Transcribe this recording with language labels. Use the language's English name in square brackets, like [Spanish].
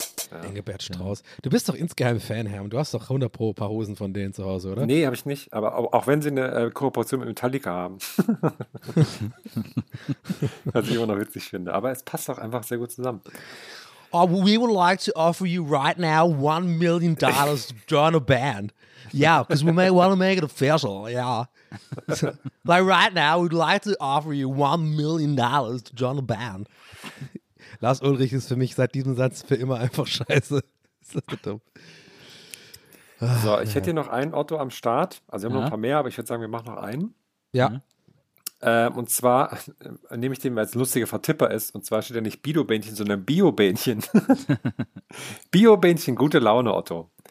[German] Ja. Engelbert Strauß. Ja. Du bist doch insgeheim Fan, Herr, und du hast doch 100 pro paar Hosen von denen zu Hause, oder? Nee, habe ich nicht. Aber auch wenn sie eine Kooperation mit Metallica haben. Was ich immer noch witzig finde. Aber es passt doch einfach sehr gut zusammen. [English] Oh, we would like to offer you right now $1 million to join a band. Yeah, because we may want to make it official. Yeah. Like right now, we'd like to offer you $1 million to join a band. [German] Lars Ulrich ist für mich seit diesem Satz für immer einfach scheiße. Das ist dumm. So, ich hätte hier noch einen Otto am Start. Also wir haben noch ein paar mehr, aber ich würde sagen, wir machen noch einen. Ja. Und zwar nehme ich den, weil es ein lustiger Vertipper ist. Und zwar steht er nicht Bido-Bähnchen, sondern Bio-Bähnchen. Bio-Bähnchen, gute Laune, Otto.